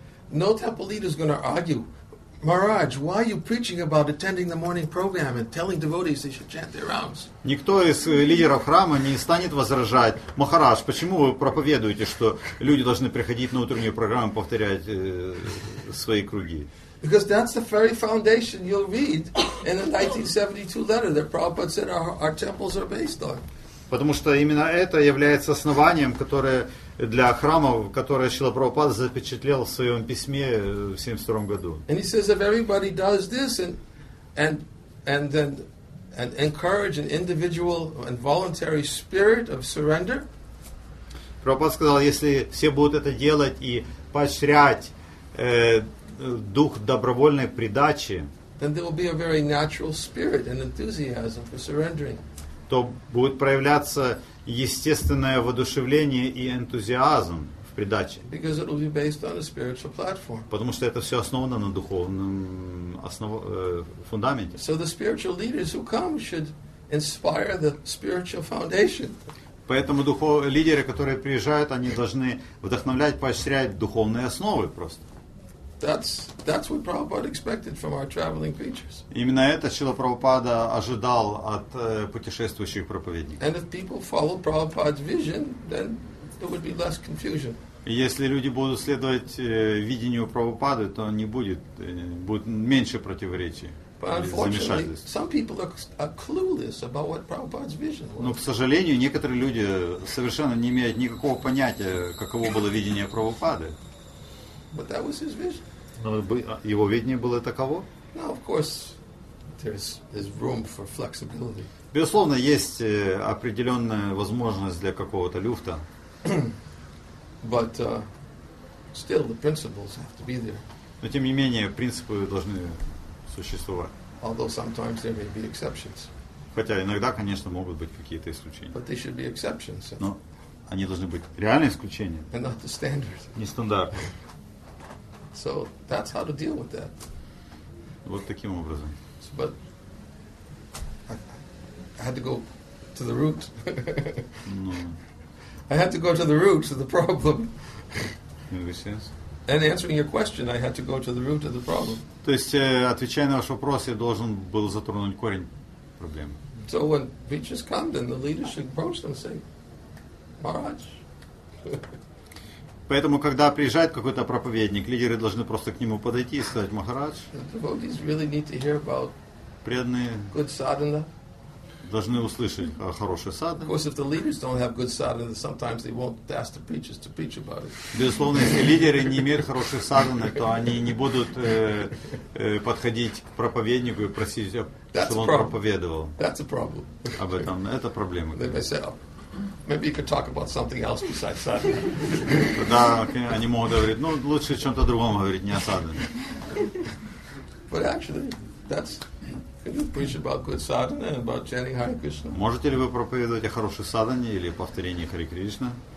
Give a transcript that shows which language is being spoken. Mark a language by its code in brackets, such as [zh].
[en] No temple leader is going to argue, Maharaj, why are you preaching about attending the morning program and telling devotees they should chant their rounds? [ru] Никто из лидеров храма не станет возражать, Махарадж, почему вы проповедуете, что люди должны приходить на утреннюю программу и повторять свои круги? [en] Because that's the very foundation you'll read in the 1972 letter that Prabhupada said our temples are based on. [ru] Потому что именно это является основанием, которое для храмов, которое Шрила Прабхупада запечатлел в своем письме в 72 году. [en] And he says if everybody does this and encourage an individual and voluntary spirit of surrender. [ru] Прабхупада сказал, если все будут это делать и поощрять дух добровольной предачи, [en] then there will be a very natural spirit and enthusiasm for surrendering. [ru] То будет проявляться естественное воодушевление и энтузиазм в предаче. [en] Because it will be based on a spiritual platform. [ru] Потому что это все основано на духовном фундаменте. [en] So the spiritual leaders who come should inspire the spiritual foundation. [ru] Поэтому лидеры, которые приезжают, они должны вдохновлять, поощрять духовные основы просто. [en] That's what Prabhupada expected from our traveling preachers. [ru] Именно это Шрила Прабхупада ожидал от путешествующих проповедников. [en] And if people follow Prabhupada's vision, then there would be less confusion. [ru] Если люди будут следовать видению Прабхупады, то не будет, будет меньше противоречий. [en] Some people are clueless about what Prabhupada's vision was. [ru] Но, к сожалению, некоторые люди совершенно не имеют никакого понятия, каково было видение Прабхупады. [en] But that was his vision. [ru] Но его видение было таково? [en] Now, of course, there's room for flexibility. [ru] Безусловно, есть определенная возможность для какого-то люфта. [en] But still, the principles have to be there. [ru] Но тем не менее принципы должны существовать. [en] Although sometimes there may be exceptions. [ru] Хотя иногда, конечно, могут быть какие-то исключения. [en] But they should be exceptions. [ru] Но они должны быть реальные исключения. [en] And not the standard. [ru] Не стандарт. [en] So that's how to deal with that. [ru] Вот таким образом. [en] So, but I had to go to the root. No. I had to go to the root of the problem. In this sense. And answering your question, I had to go to the root of the problem. [ru] То есть, отвечая на ваш вопрос, я должен был затронуть корень проблемы. [en] So when preachers come, then the leaders should approach them and say, Maharaj. [ru] Поэтому, когда приезжает какой-то проповедник, лидеры должны просто к нему подойти и сказать, Махарадж. [en] The devotees really need to hear about good sadhana. [ru] Должны услышать о хорошей садхане. [en] Of course, if the leaders don't have good sadhana, sometimes they won't ask the preachers to preach about it. [ru] Безусловно, если лидеры не имеют хорошей садхане, то они не будут подходить к проповеднику и просить, чтобы он проповедовал. [en] That's a problem. [ru] Об этом. Это проблема. [en] They may say, maybe you could talk about something else besides sadhana. [ru] Да, они могут говорить, ну, лучше о чем-то другом говорить, не о садхане. [en] But actually, that's... Preach about good sadhana, about chanting Hare Krishna. [ru] Можете ли вы проповедовать о хорошей садхане или повторении Хари Кришна?